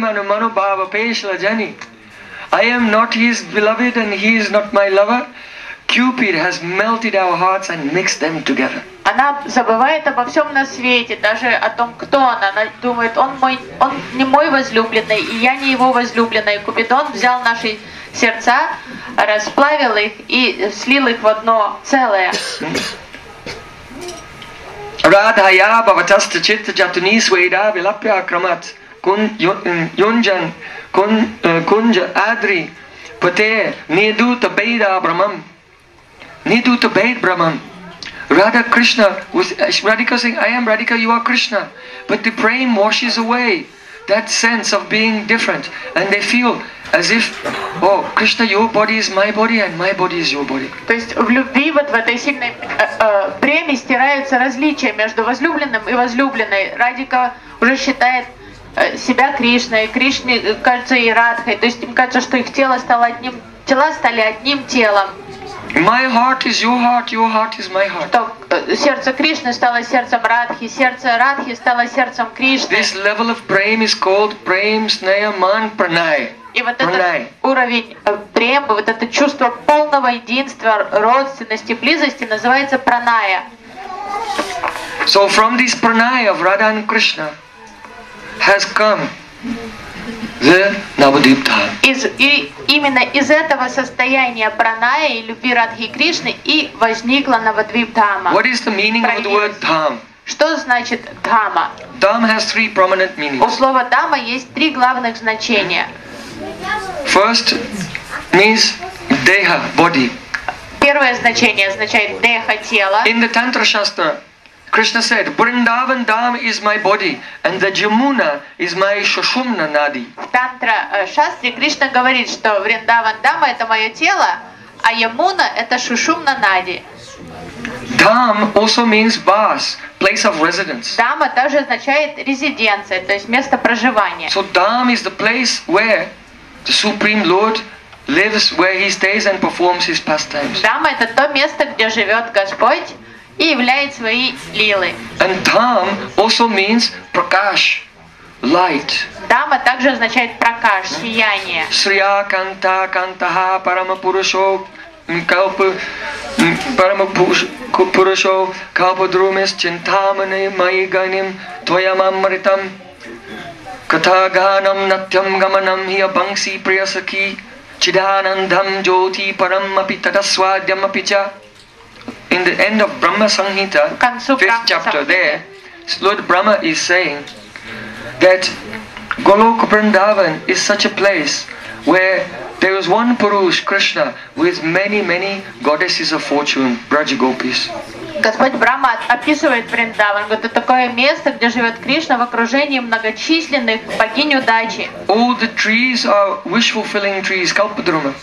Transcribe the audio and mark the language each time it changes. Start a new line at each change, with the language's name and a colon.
English: I am not his beloved and he is not my lover. Cupid has melted our hearts and mixed them together.
Russian: Она забывает обо всем на свете, даже о том, кто она. Она думает, он не мой возлюбленный, и я не его возлюбленная. Купидон взял наши сердца, расплавил их и слил их в одно целое.
Sanskrit: Радхая бхаватаста читта джатуни свейда вилапья акрамат кунджан кунджа адри пате недута бейда брамам. Недута бейд брамам.
English: Radha Krishna was Radhika saying, I am Radhika, you are Krishna. But the prem washes away that sense of being different. And they feel as if, oh, Krishna, your body is my body and my body is your body.
Russian: То есть в любви, вот в этой сильной преме стираются различия между возлюбленным и возлюбленной. Радика уже считает себя Кришной, Кришне кажется и Радхой. То есть им кажется, что их тело стало одним, тела стали одним телом.
English: My heart is your heart is my heart.
Russian: Что сердце Кришны стало сердцем Радхи, сердце Радхи стало сердцем Кришны.
English: This level of prem is called prem sneha man pranay.
Russian: И вот pranay. Этот уровень премы, вот это чувство полного единства, родственности, близости называется праная.
English: So from this праная of Radha and Krishna has come the Navadvipta.
Russian: Именно из этого состояния праная и любви Радхи и Кришны и возникла Навадвипдхама.
English: What is the meaning of the word dham?
Russian: Что значит дхама?
English: Dham has three prominent meanings.
Russian: У слова дхама есть три главных значения.
English: First means deha, body.
Russian: Первое значение означает деха, тело.
English: In the Tantra Shastra, Krishna said, Vrindavan Dham is my body, and the Jamuna is my Shushumna Nadi.
Russian: В Тантра Шастре Кришна говорит, что Вриндаван Дама это мое тело, а Ямуна это Шушумна Нади.
English: Dham also means Vas, place of residence.
Russian: Дама также означает резиденция, то есть место проживания.
English: So Dham is the place where the Supreme Lord lives, where he stays and performs his pastimes.
Russian: Дама это то место, где живет Господь. И являет свои лилы.
English: And dham also means prakash, light.
Russian: Дама также означает прокаш, сияние.
Sanskrit: Shriya kanta kantaha paramapurusho paramapurusho kapadrumis chintamani maiganim tvayamamritam kathaganam natyam gamanam hiya bhangsi priyasakhi chidanandam jyoti paramapi tatasvadyamapi cha.
English: In the end of Brahma Sanghita, fifth chapter there, Lord Brahma is saying that Goloka Vrindavan is such a place where there is one Purush, Krishna, with many, many goddesses of fortune, Braj Gopis.
Russian: Господь Брама описывает Вриндаван, говорит, это такое место, где живет Кришна в окружении многочисленных богинь удачи.
English: All the trees are wish-fulfilling trees, Kalpadruma.